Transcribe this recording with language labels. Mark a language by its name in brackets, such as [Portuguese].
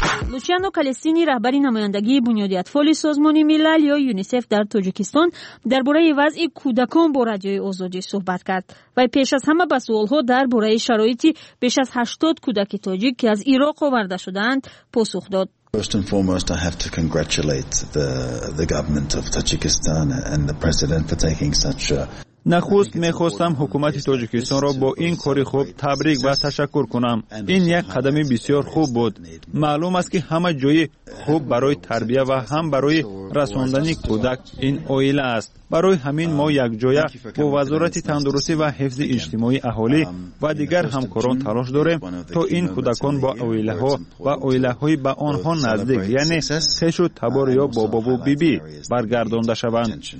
[Persian] لوچیانو کالستینی رهبری نمایندگی بنیاد اطفال سازمان ملل یا یونیسف در تاجیکستان درباره وضع کودکان با رادیوی آزادی صحبت کرد و پیش از همه به سوال‌ها درباره شرایطی بیش از 80 کودک تاجیک که از عراق آورده شده‌اند پاسخ داد. [English] First and foremost, I have to congratulate the government of Tajikistan and the president for taking such a [Persian] نخست می‌خواستم حکومت تاجیکستان را با این کار خوب تبریک و تشکر کنم. این یک قدم بسیار خوب بود. معلوم است که همه جای خوب برای تربیت و هم برای رساندن کودک این آیله است. برای همین ما یک جای با وزارت تندرستی و حفظ اجتماعی اهالی و دیگر همکاران تلاش داریم تا این کودکان با آیله ها و آیله های با آنها نزدیک، یعنی خش و تبار یا بابا و بیبی برگردانده شوند.